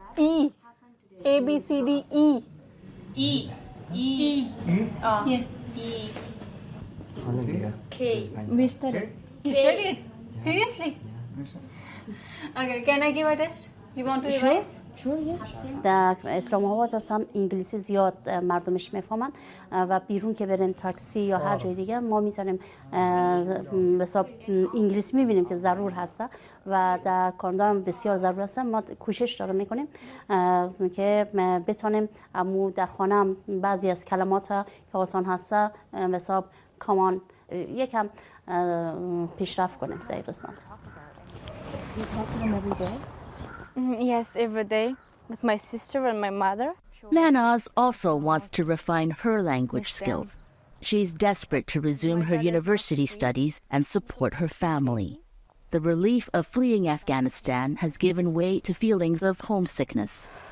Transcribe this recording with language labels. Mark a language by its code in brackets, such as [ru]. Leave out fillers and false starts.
[en] E. A, B, C, D, E. E. E. E. Yes. E. K. Mister. You studied? Seriously? Yeah. Okay, can I give a test? You want to revise? Sure, yes. [fa] در اسلام‌آباد هم انگلیسی زیاد مردمش میفهمن و بیرون که بریم تاکسی یا هر جای دیگه ما میتونیم حساب انگلیسی میبینیم که ضرور هست و در کانادا هم بسیار ضرور هست. ما کوشش داریم میکنیم که بتونیم امو در خانه هم بعضی از کلمات که آسان هست حساب کامان یکم پیشرفت کنیم در این قسمت. [en] Yes, every day with my sister and my mother. Manoz also wants to refine her language skills. She's desperate to resume her university studies and support her family. The relief of fleeing Afghanistan has given way to feelings of homesickness.